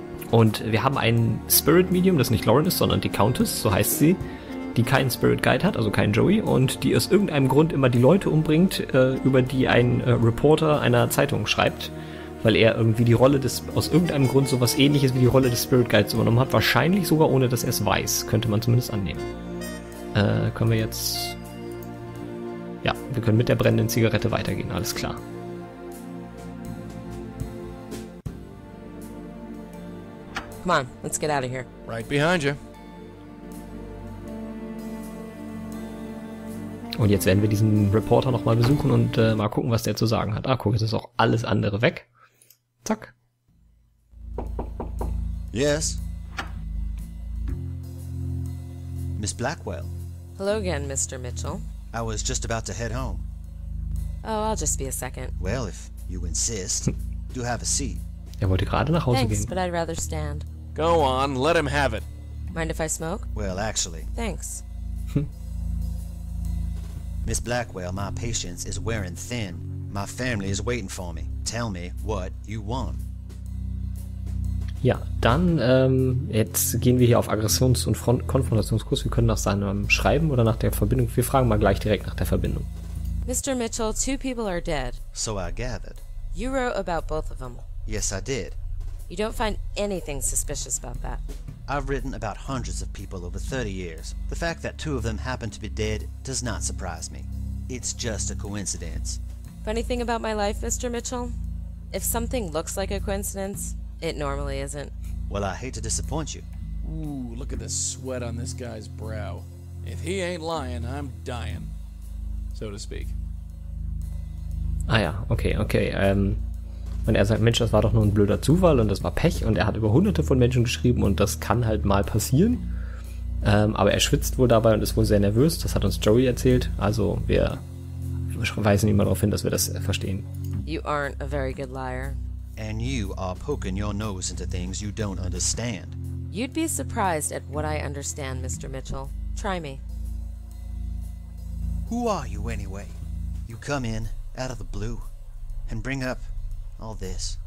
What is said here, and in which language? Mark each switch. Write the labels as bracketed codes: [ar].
[de] Und wir haben ein Spirit Medium, das nicht Lauren ist, sondern die Countess, so heißt sie, die keinen Spirit Guide hat, also keinen Joey, und die aus irgendeinem Grund immer die Leute umbringt, über die ein Reporter einer Zeitung schreibt, weil er irgendwie die Rolle des, aus irgendeinem Grund sowas ähnliches wie die Rolle des Spirit Guides übernommen hat, wahrscheinlich sogar ohne, dass er es weiß, könnte man zumindest annehmen. Können wir jetzt... Ja, wir können mit der brennenden Zigarette weitergehen, alles klar. [en] Come on, let's get out of here. Right behind you. [de] Und jetzt werden wir diesen Reporter nochmal besuchen und mal gucken, was der zu sagen hat. Ah, guck, es ist auch alles andere weg. Zack. [en] Yes. Miss Blackwell. Hello again, Mr. Mitchell. I was just about to head home. Oh, I'll just be a second. Well, if you insist, do have a seat. [de] Er wollte gerade nach Hause [en] Thanks, [de] gehen. [en] Thanks, but I'd rather stand. Go on, let him have it. Mind if I smoke? Well, actually. Thanks. Miss Blackwell, my patience is wearing thin. My family is waiting for me. Tell me what you want. [de] Ja, dann jetzt gehen wir hier auf Aggressions- und Konfrontationskurs. Wir können nach seinem Schreiben oder nach der Verbindung. Wir fragen mal gleich direkt nach der Verbindung. [en] Mr. Mitchell, two people are dead. So I gathered. You wrote about both of them. Yes, I did. You don't find anything suspicious about that. I've written about hundreds of people over 30 years. The fact that two of them happen to be dead does not surprise me. It's just a coincidence. Funny thing about my life, Mr. Mitchell? If something looks like a coincidence, it normally isn't. Well, I hate to disappoint you. Ooh, look at the sweat on this guy's brow. If he ain't lying, I'm dying. So to speak. [de] Ah ja, okay. Und er sagt, Mensch, das war doch nur ein blöder Zufall und das war Pech und er hat über hunderte von Menschen geschrieben und das kann halt mal passieren. Aber er schwitzt wohl dabei und ist wohl sehr nervös, das hat uns Joey erzählt. Also wir weisen ihn mal darauf hin, dass wir das verstehen. [en] You aren't a very good liar. And you are poking your nose into things you don't understand. You'd be surprised at what I understand, Mr. Mitchell. Try me. Who are you anyway? You come in out of the blue and bring up all this.